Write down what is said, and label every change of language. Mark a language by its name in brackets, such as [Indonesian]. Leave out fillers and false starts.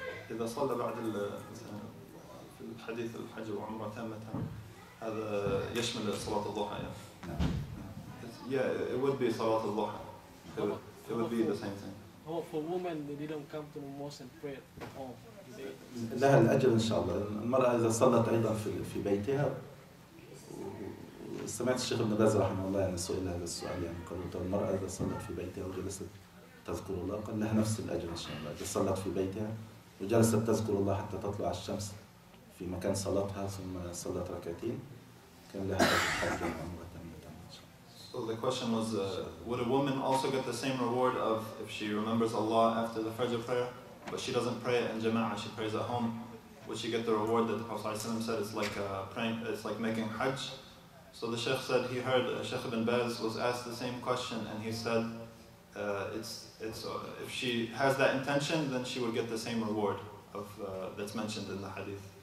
[Arabic] إذا صلى بعد ال في الحديث الحج والعمرة تامة هذا يشمل صلاة الضحى. [English] Yeah, it would be salat al-duha. It would be the same thing. How about for women, they didn't come to the mosque and pray at home? [Arabic] لها الأجر إن شاء الله. المرأة إذا صلت أيضا في بيتها. سمعت الشيخ ابن باز رحمه الله يعني سئل هذا السؤال يعني قال له المرأة إذا صلت في بيتها وجلست تذكر الله قال لها نفس الأجر إن شاء الله. إذا صلت في بيتها وجلست تذكر الله حتى تطلع الشمس في مكان صلتها ثم صلت ركعتين كان لها الحج والعمرة. [English] So the question was, would a woman also get the same reward of if she remembers Allah after the Fajr prayer, but she doesn't pray it in jama'ah, she prays at home, would she get the reward that the Prophet ﷺ said, it's like making hajj? So the Sheikh said, he heard, Sheikh Ibn Baz was asked the same question, and he said, if she has that intention, then she would get the same reward of that's mentioned in the hadith.